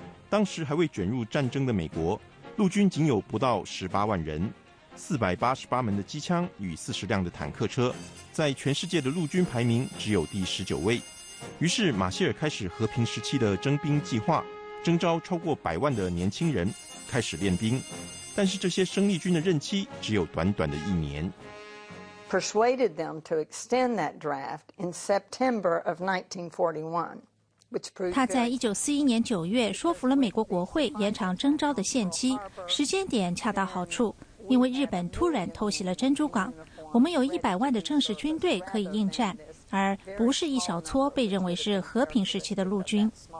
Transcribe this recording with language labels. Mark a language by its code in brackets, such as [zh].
[zh] 当时还未卷入战争的美国陆军仅有不到18万人，488门的机枪与40辆的坦克车，在全世界的陆军排名只有第19位。于是马歇尔开始和平时期的征兵计划，征召超过100万的年轻人开始练兵，但是这些生力军的任期只有短短的一年。 [en] Persuaded them to extend that draft in September of 1941, which proved. [zh] 他在1941年9月说服了美国国会延长征召的限期，时间点恰到好处，因为日本突然偷袭了珍珠港，我们有100万的正式军队可以应战，而不是一小撮被认为是和平时期的陆军。